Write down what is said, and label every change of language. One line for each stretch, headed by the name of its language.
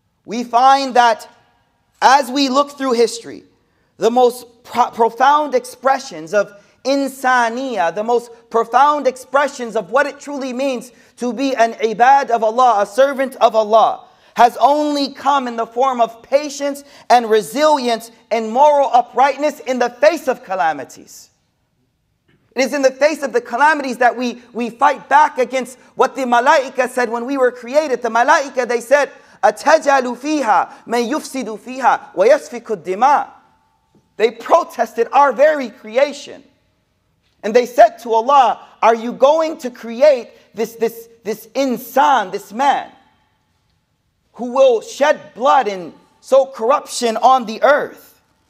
English: we find that as we look through history, the most profound expressions of insaniya, the most profound expressions of what it truly means to be an ibad of Allah, a servant of Allah, has only come in the form of patience and resilience and moral uprightness in the face of calamities. It is in the face of the calamities that we fight back against what the malaika said when we were created. The malaika, they said,
Arabic: أَتَجَالُ فِيهَا مَنْ يُفْسِدُ فِيهَا وَيَسْفِكُ الدِّمَاءِ.
English: They protested our very creation. And they said to Allah, are you going to create this insan, this man, who will shed blood and sow corruption on the earth?